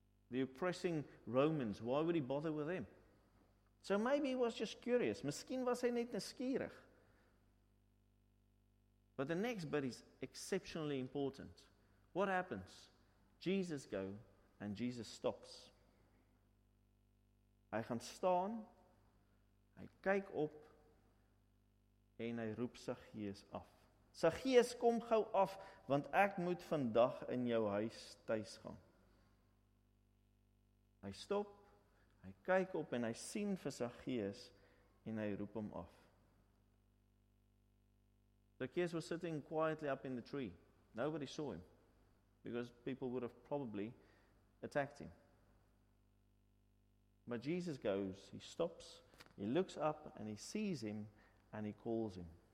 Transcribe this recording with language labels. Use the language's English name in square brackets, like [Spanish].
[English] The oppressing Romans, why would he bother with them? So maybe he was just curious. [Afrikaans] Miskien was hy net nieuwsgierig. [English] But the next bit is exceptionally important. What happens? Jesus go and Jesus stops. [Afrikaans] Hy gaan staan, hy kyk op, en hy roep Zacchaeus af. Zacchaeus, kom gauw af, want ek moet vandag in jou huis thuis gaan. Hy stop, hy kyk op, en hy sien vir Zacchaeus, en hy roep hom af. [English] Zacchaeus was sitting quietly up in the tree. Nobody saw him, because people would have probably attacked him. But Jesus goes, he stops, he looks up, and he sees him, and he calls him.